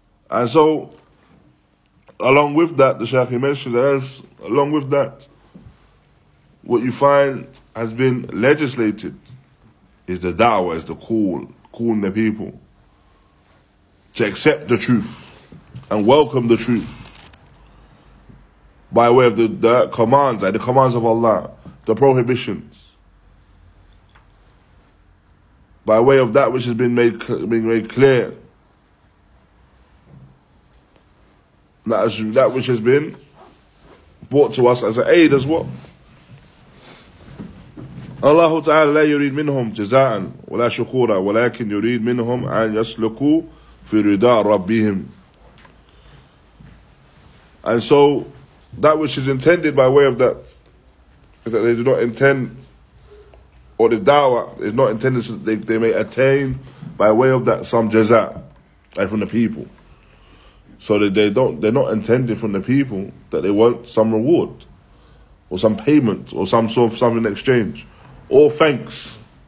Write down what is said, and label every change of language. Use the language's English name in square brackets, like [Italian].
[English] And so, along with that, the Shaykh mentioned that, along with that, what you find has been legislated is the da'wah, is the call, calling the people to accept the truth and welcome the truth by way of the commands, like the commands of Allah, the prohibitions. by way of that which has been made clear. That which has been brought to us as an aid as what? Allah Ta'ala [Arabic] لا يريد منهم جزاء ولا شكورا ولكن يريد منهم أن يسلكوا في رضا ربهم. [English] And so that which is intended by way of that is that they do not intend, or the da'wah is not intended so that they may attain by way of that some jaza, like from the people. So that they're not intending from the people that they want some reward or some payment or some sort of something in exchange or thanks.